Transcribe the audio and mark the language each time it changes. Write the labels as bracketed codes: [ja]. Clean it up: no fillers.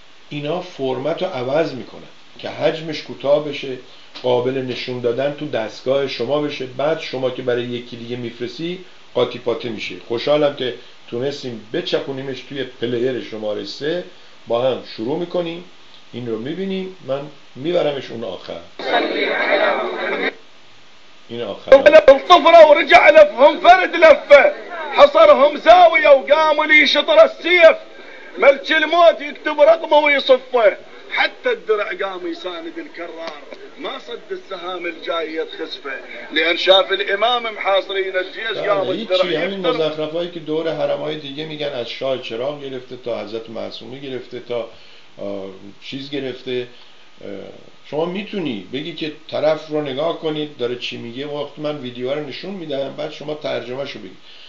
[fa] اینا فرمتو عوض میکنن که حجمش کوتاه بشه، قابل نشون دادن تو دستگاه شما بشه، بعد شما که برای یکی دیگه میفرسی قاطی پاته میشه. خوشحالم که تونستیم بچپونیمش توی پلیر شماره 3. با هم شروع میکنیم، این رو میبینیم، من میبرمش اون آخر. این آخر [ar] لهم طفره و رجع لفهم فرد لفه حصرهم زاویه و قام لی شطر السیف ملچ الموت يكتب رقمه ويصفه حتى الدرع قام يساند الكرار ما صد السهام الجاي يتخسفه لان شاف الامام محاصرين الجيش قام الدرع يفتر. [fa] همین مزخرفایی که دور حرمای دیگه میگن، از شاه چراغ گرفته تا حضرت معصومه گرفته تا چیز گرفته، شما میتونی بگی که طرف رو نگاه کنید داره چی میگه، وقت من ویدیو رو نشون میدم بعد شما ترجمه شو بگید.